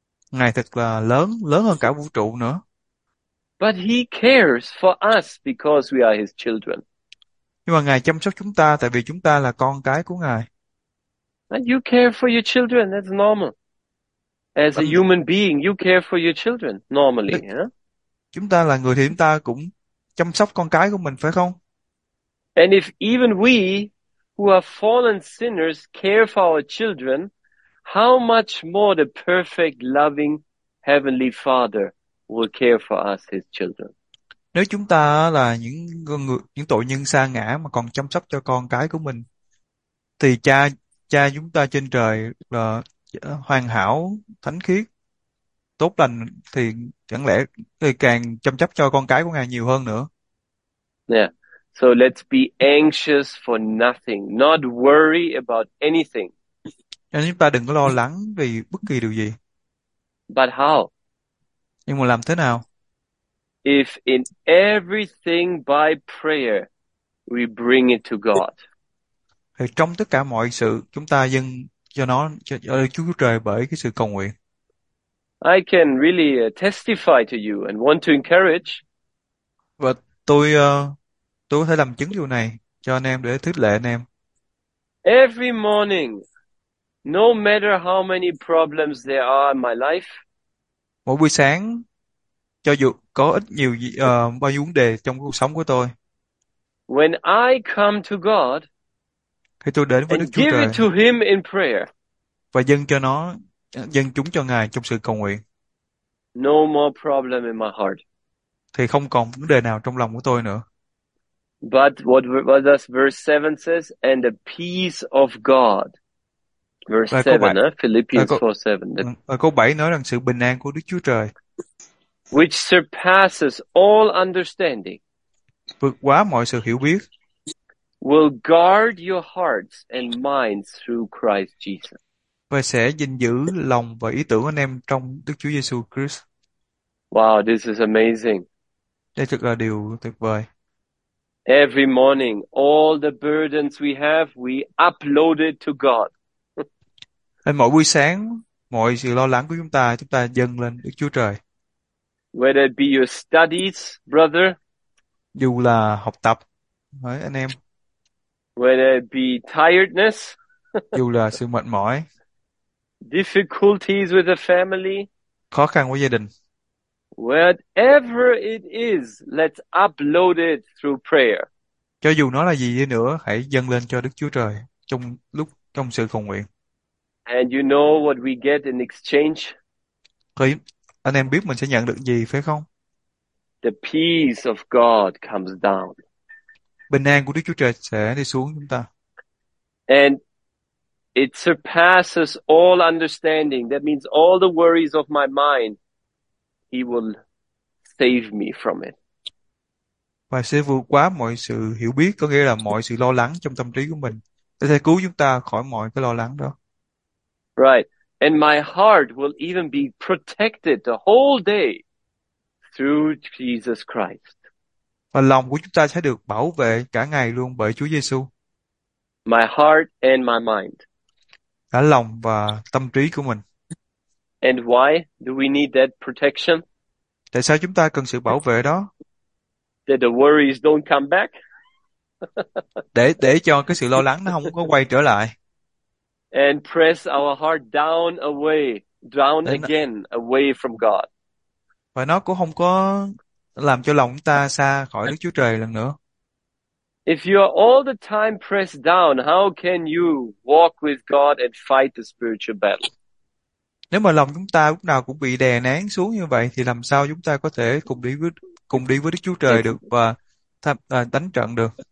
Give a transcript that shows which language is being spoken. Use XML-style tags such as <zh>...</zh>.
<vi>Ngài thật là lớn, lớn hơn cả vũ trụ nữa.</vi> <en>But he cares for us because we are his children.</en> <vi>Nhưng mà Ngài chăm sóc chúng ta tại vì chúng ta là con cái của Ngài.</vi> <en>And you care for your children, that's normal. As a human being, you care for your children normally,</en> <vi>Chúng ta là người thì chúng ta cũng chăm sóc con cái của mình phải không?</vi> <en>And if even we who are fallen sinners care for our children, how much more the perfect, loving heavenly Father will care for us his children.</en> <vi>Nếu chúng ta là những tội nhân sa ngã mà còn chăm sóc cho con cái của mình thì cha chúng ta trên trời là hoàn hảo, thánh khiết, tốt lành thì chẳng lẽ thì càng chăm chăm cho con cái của Ngài nhiều hơn nữa.</vi> <en>Yeah. So let's be anxious for nothing, not worry about anything.</en> <vi>Cho nên chúng ta đừng có lo lắng vì bất kỳ điều gì.</vi> <en>But how?</en> <vi>Nhưng mà làm thế nào?</vi> <en>If in everything by prayer we bring it to God.</en> <vi>Thì trong tất cả mọi sự chúng ta dâng cho nó cho Chúa Trời bởi cái sự cầu nguyện.</vi> <en>I can really testify to you and want to encourage.</en> <vi>Và tôi Tôi có thể làm chứng điều này cho anh em để thuyết lệ anh em.</vi> <en>Every morning, no matter how many problems there are in my life,</en> <vi>Mỗi buổi sáng, cho dù có ít nhiều bao nhiêu vấn đề trong cuộc sống của tôi,</vi> <en>when I come to God</en> <vi>khi tôi đến với Đức</vi> <en>and</en> <vi>Chúa</vi> <en>give it</en> <vi>Trời</vi> <en>to him in prayer,</en> <vi>và dâng cho nó, dâng chúng cho Ngài trong sự cầu nguyện,</vi> <en>no more problem in my heart.</en> <vi>thì không còn vấn đề nào trong lòng của tôi nữa.</vi> <en>But what does verse 7 says? And the peace of God. Verse</en> <vi>Lời câu bảy,</vi> <en>Philippians 4:7.</en> <vi>lời câu bảy nói rằng sự bình an của Đức Chúa Trời</vi> <en>Which surpasses all understanding</en> <vi>vượt quá mọi sự hiểu biết,</vi> <en>will guard your hearts and minds through Christ Jesus.</en> <vi>và sẽ gìn giữ lòng và ý tưởng anh em trong Đức Chúa Giêsu Christ.</vi> <en>Wow, this is amazing.</en> <vi>Đây thực là điều tuyệt vời.</vi> <en>Every morning, all the burdens we have, we upload it to God.</en> <vi>Nên mỗi buổi sáng, mọi sự lo lắng của chúng ta dâng lên Đức Chúa Trời.</vi> <en>Whether it be your studies, brother,</en> <vi>Dù là học tập, với anh em,</vi> <en>whether it be tiredness,</en> <vi>dù là sự mệt mỏi,</vi> <en>difficulties with the family,</en> <vi>khó khăn của gia đình,</vi> <en>whatever it is, let's upload it through</en> <vi>cho dù nó là gì đi nữa, hãy dâng lên cho Đức Chúa Trời trong lúc trong sự cầu nguyện.</vi> <en>prayer. And you know what we get in exchange?</en> <vi>Anh em biết mình sẽ nhận được gì phải không?</vi> <en>The peace of God comes down.</en> <vi>Bình an của Đức Chúa Trời sẽ đi xuống chúng ta.</vi> <en>And it surpasses all understanding. That means all the worries of my mind, he will save me from it.</en> <vi>Và sẽ vượt quá mọi sự hiểu biết, có nghĩa là mọi sự lo lắng trong tâm trí của mình. Nó sẽ cứu chúng ta khỏi mọi cái lo lắng đó.</vi> <en>Right. And my heart will even be protected the whole day through Jesus Christ.</en> <vi>Và lòng của chúng ta sẽ được bảo vệ cả ngày luôn bởi Chúa Giêsu.</vi> <en>My heart and my mind.</en> <vi>Cả lòng và tâm trí của mình.</vi> <en>And why do we need that protection?</en> <vi>Tại sao chúng ta cần sự bảo vệ đó?</vi> <en>The worries don't come back.</en> <vi>Để cho cái sự lo lắng nó không có quay trở lại.</vi> <en>And press our heart down away, down again, away from God.</en> <vi>Và nó cũng không có làm cho lòng ta xa khỏi Đức Chúa Trời lần nữa.</vi> <en>If you are all the time pressed down, how can you walk with God and fight the spiritual battle?</en> <vi>Nếu mà lòng chúng ta lúc nào cũng bị đè nén xuống như vậy thì làm sao chúng ta có thể cùng đi với Đức Chúa Trời được và đánh trận được?</vi>